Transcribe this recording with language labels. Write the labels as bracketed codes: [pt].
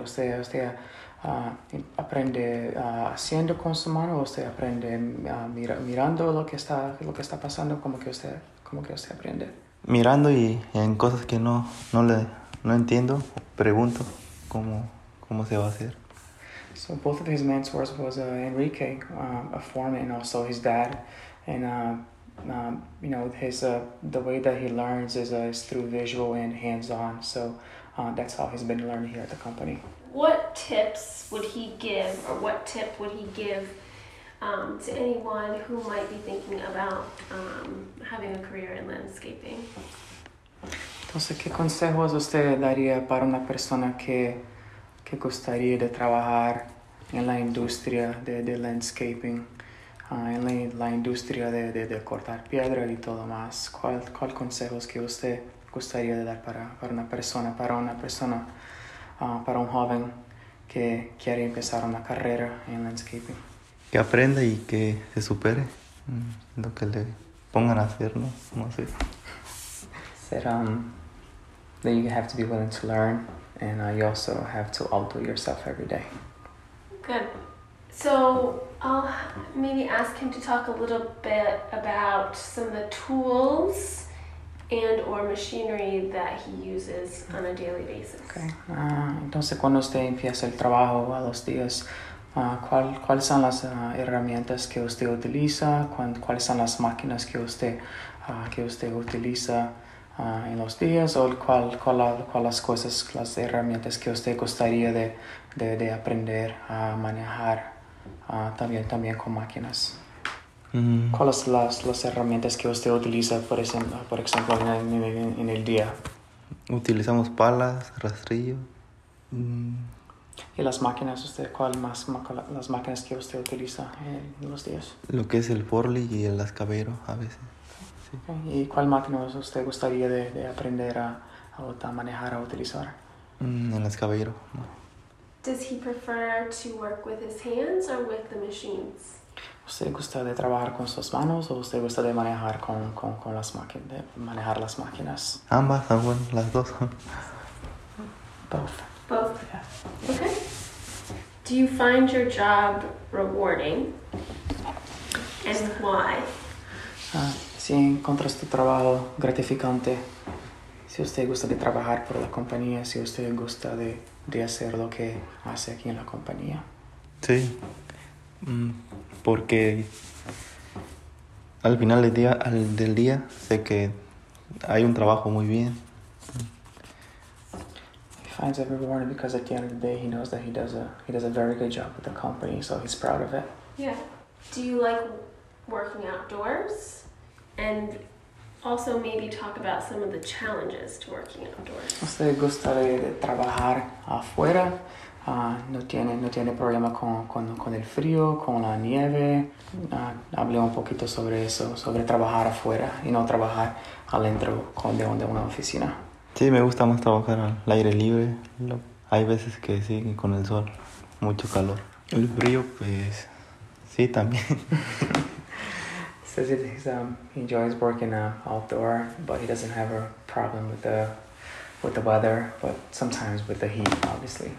[es] ¿Usted aprende haciendo con su mano o usted aprende mirando lo que está pasando? ¿Cómo que usted aprende? Mirando y en cosas que no entiendo, pregunto cómo se va a hacer. [en] So both of his mentors was Enrique, a foreman, also his dad, and you know, his the way that he learns is through visual and hands-on. So that's how he's been learning here at the company. What tip would he give to anyone who might be thinking about having a career in landscaping? [es] Entonces, ¿qué consejos usted daría para una persona que gustaría de trabajar en la industria de landscaping, en la industria de cortar piedra y todo más? ¿Cuál consejos que usted gustaría de dar para un joven que quiere empezar una carrera en landscaping? Que aprenda y que se supere lo que le pongan a hacer, ¿no? No sé. [en] That you have to be willing to learn, and you also have to outdo yourself every day. Good. So I'll maybe ask him to talk a little bit about some of the tools and or machinery that he uses on a daily basis. Okay. [es] Entonces, cuando usted empieza el trabajo a los días, ¿cuáles son las herramientas que usted utiliza? ¿Cuáles son las máquinas que usted utiliza en los días, o las herramientas que usted gustaría de aprender a manejar también con máquinas? Mm. ¿Cuáles son las herramientas que usted utiliza, por ejemplo, en el día? Utilizamos palas, rastrillo. ¿Y las máquinas, las máquinas que usted utiliza en los días? Lo que es el forli y el ascabero a veces. Okay. ¿Y cuál máquina usted gustaría de aprender a manejar, a utilizar? En las caballeros. [en] Does he prefer to work with his hands or with the machines? [es] ¿Usted gusta de trabajar con sus manos o usted gusta de manejar con las máquinas, de manejar las máquinas? Ambas, bueno, las dos. [en] Both. Both. Yeah. Okay. Do you find your job rewarding? And why? [es] Si encuentras tu trabajo gratificante, si usted gusta de trabajar por la compañía, si usted gusta de hacer lo que hace aquí en la compañía. Sí, porque al final del día sé que hay un trabajo muy bien. [en] He finds it rewarding because at the end of the day he knows that he does a very good job with the company, so he's proud of it. Yeah. Do you like working outdoors? And also maybe talk about some of the challenges to working outdoors. [es] ¿Usted gusta de trabajar afuera? No tiene problema con el frío, con la nieve. Hablé un poquito sobre eso, sobre trabajar afuera y no trabajar adentro de una oficina. Sí, me gusta más trabajar al aire libre. Hay veces que sí, con el sol, mucho calor. El frío, pues, sí, también. [en] Says he enjoys working outdoor, but he doesn't have a problem with the weather, but sometimes with the heat, obviously.